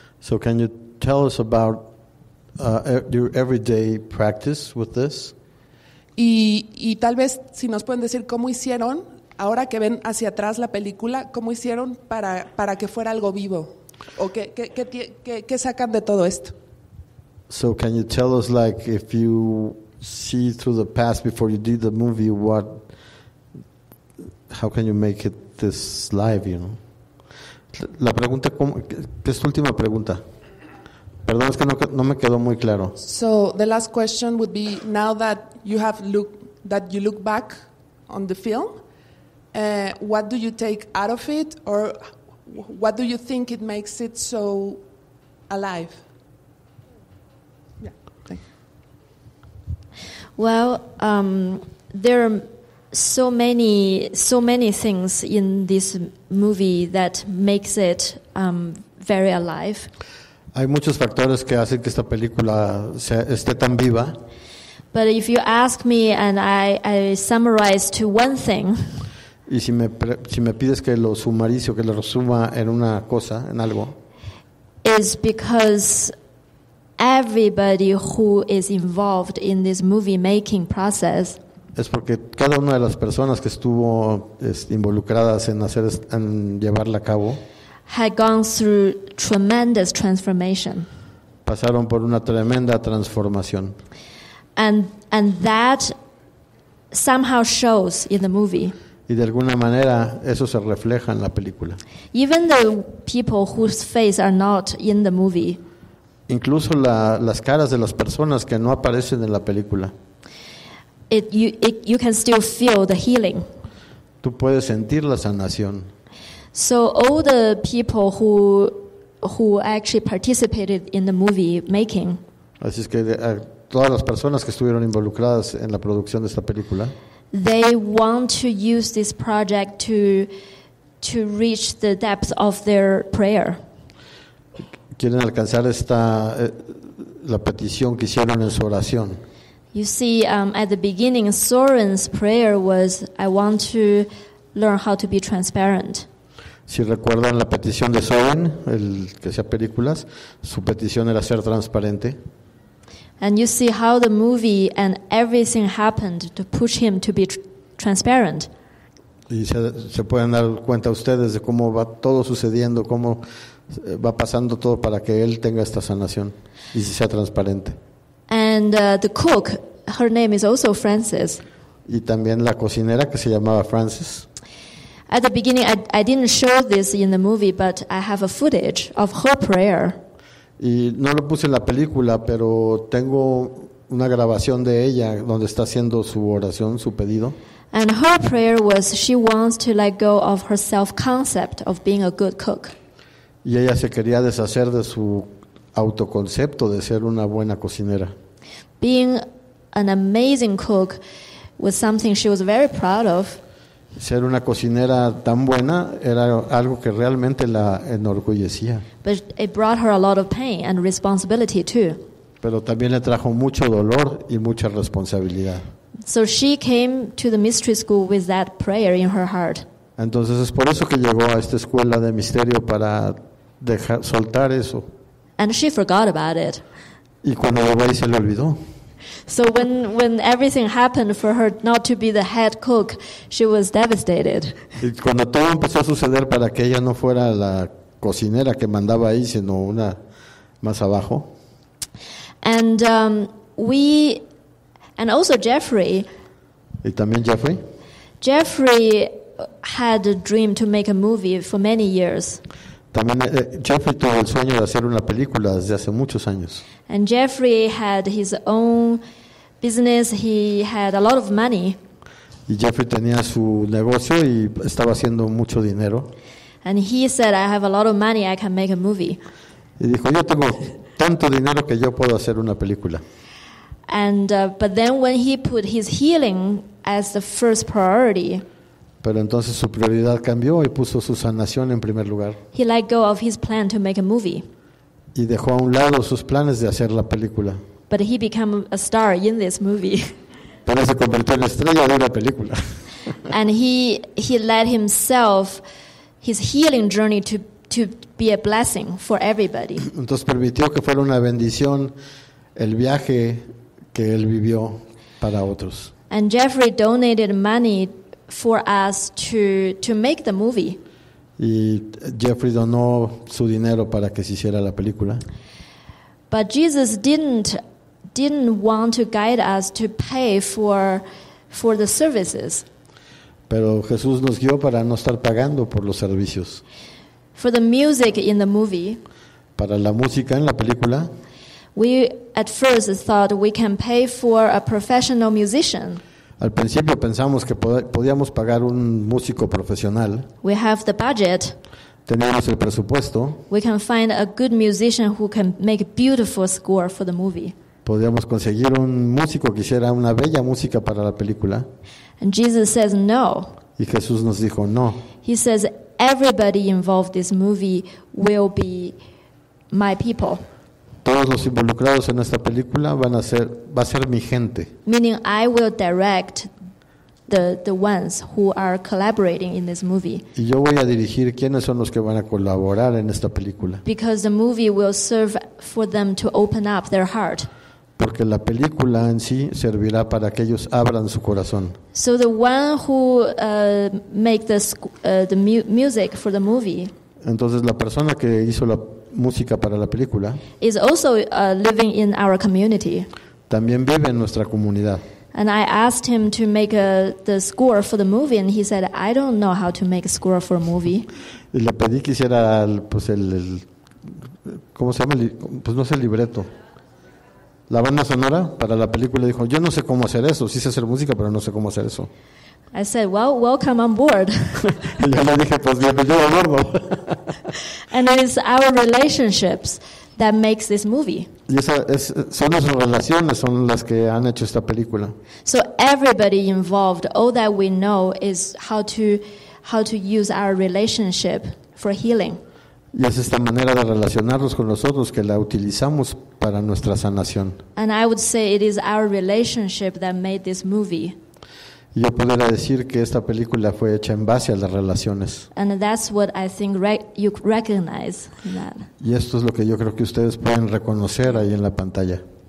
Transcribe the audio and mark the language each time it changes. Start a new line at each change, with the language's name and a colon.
English: So can you tell us about your everyday practice with this?
Spanish: Y tal vez si nos pueden decir cómo hicieron ahora que ven hacia atrás la película, cómo hicieron para que fuera algo vivo, o qué sacan de todo esto.
English: So can you tell us, like, if you see through the past before you did the movie, what, how can you make it this live, you know?
Spanish: La pregunta, ¿qué es tu última pregunta? Perdón, es que no me quedó muy claro.
English: So the last question would be, now that you have looked, that you look back on the film, what do you take out of it, or what do you think it makes it so alive? Well, there are so many things in this movie that makes it very alive.
Spanish: Hay muchos factores que hacen que esta película esté tan viva.
English: But if you ask me and I summarize to one thing.
Spanish: Y si me pides que lo sumarice o que lo resuma en una cosa, en algo.
English: Is because everybody who is involved in this movie making process
Spanish: es porque cada una de las personas que estuvo involucradas en hacer en llevarla a cabo
English: had gone through tremendous transformation.
Spanish: Pasaron por una tremenda transformación.
English: And that somehow shows in the movie.
Spanish: Y de alguna manera eso se refleja en la película.
English: Even the people whose face are not in the movie.
Spanish: Incluso las caras de las personas que no aparecen en la película.
English: You can still feel the healing.
Spanish: Tú puedes sentir la sanación.
English: So all the people who actually participated in the movie making.
Spanish: Así es que todas las personas que estuvieron involucradas en la producción de esta película.
English: They want to use this project to reach the depth of their prayer.
Spanish: Quieren alcanzar la petición que hicieron en su oración.
English: You see, at the beginning, Soren's prayer was, "I want to learn how to be transparent."
Spanish: Si recuerdan la petición de Soren, el que hacía películas, su petición era ser transparente.
English: And you see how the movie and everything happened to push him to be transparent.
Spanish: Y se pueden dar cuenta ustedes de cómo va todo sucediendo, cómo va pasando todo para que él tenga esta sanación y sea transparente.
English: And the cook, her name is also Frances.
Spanish: Y también la cocinera que se llamaba Frances.
English: At the beginning, I didn't show this in the movie, but I have a footage of her prayer.
Spanish: Y no lo puse en la película, pero tengo una grabación de ella donde está haciendo su oración, su pedido.
English: And her prayer was she wants to let go of her self-concept of being a good cook.
Spanish: Y ella se quería deshacer de su autoconcepto de ser una buena cocinera.
English: Being an amazing cook was something she was very proud of.
Spanish: Ser una cocinera tan buena era algo que realmente la enorgullecía.
English: But it brought her a lot of pain and responsibility too.
Spanish: Pero también le trajo mucho dolor y mucha responsabilidad.
English: So she came to the mystery school with that prayer in her heart.
Spanish: Entonces es por eso que llegó a esta escuela de misterio para dejar soltar eso.
English: And she forgot about it.
Spanish: Y cuando lo veía se le olvidó.
English: So when everything happened for her not to be the head cook, she was devastated.
Spanish: Y cuando todo empezó a suceder para que ella no fuera la cocinera que mandaba ahí, sino una más abajo.
English: And and also Jeffrey.
Spanish: Y también Jeffrey.
English: Jeffrey had a dream to make a movie for many years.
Spanish: También Jeffrey tuvo el sueño de hacer una película desde hace muchos años.
English: And Jeffrey had his own business. He had a lot of money.
Spanish: Y Jeffrey tenía su negocio y estaba haciendo mucho dinero.
English: And he said, I have a lot of money, I can make a movie.
Spanish: Y dijo, yo tengo tanto dinero que yo puedo hacer una película.
English: And but then when he put his healing as the first priority,
Spanish: pero entonces su prioridad cambió y puso su sanación en primer lugar.
English: He let go of his plan to make a movie.
Spanish: Y dejó a un lado sus planes de hacer la película.
English: But he became a star in this movie.
Spanish: Pero se convirtió en estrella de la película.
English: And he let himself, his healing journey to be a blessing for everybody.
Spanish: Entonces permitió que fuera una bendición el viaje que él vivió para otros.
English: And Jeffrey donated money for us to make the movie.
Spanish: Y Jeffrey donó su dinero para que se hiciera la película.
English: But Jesus didn't want to guide us to pay for the services.
Spanish: Pero Jesús nos guió para no estar pagando por los servicios.
English: For the music in the movie.
Spanish: Para la música en la película.
English: We at first thought we can pay for a professional musician.
Spanish: Al principio pensamos que podíamos pagar un músico profesional.
English: We have the budget.
Spanish: Tenemos el presupuesto.
English: We can find a good musician who can make a beautiful score for the movie.
Spanish: Podíamos conseguir un músico que hiciera una bella música para la película.
English: And Jesus says no.
Spanish: Y Jesús nos dijo no.
English: He says everybody involved in this movie will be my people.
Spanish: Todos los involucrados en esta película va a ser mi gente.
English: Meaning I will direct the ones who are collaborating in this movie.
Spanish: Y yo voy a dirigir quiénes son los que van a colaborar en esta película.
English: Because the movie will serve for them to open up their heart.
Spanish: Porque la película en sí servirá para que ellos abran su corazón.
English: So the one who make the music for the movie.
Spanish: Entonces la persona que hizo la música para la película
English: is also living in our community.
Spanish: También vive en nuestra comunidad.
English: And I asked him to make the score for the movie, and he said, I don't know how to make a score for a movie.
Spanish: Y le pedí que hiciera el ¿cómo se llama? Pues no sé, el libreto. La banda sonora para la película. Dijo, yo no sé cómo hacer eso. Sí sé hacer música, pero no sé cómo hacer eso.
English: I said, well, welcome on board.
Spanish: Y yo le dije, pues bienvenido a bordo.
English: And it is our relationships that makes this movie.
Spanish: Y son nuestras relaciones, son las que han hecho esta película.
English: So everybody involved, all that we know is how to use our relationship for healing.
Spanish: Y es esta manera de relacionarnos con los otros que la utilizamos para nuestra sanación.
English: And I would say it is our relationship that made this movie.
Spanish: Y yo pudiera decir que esta película fue hecha en base a las relaciones.
English: And that's what I think you recognize that.
Spanish: Y esto es lo que yo creo que ustedes pueden reconocer ahí en la pantalla.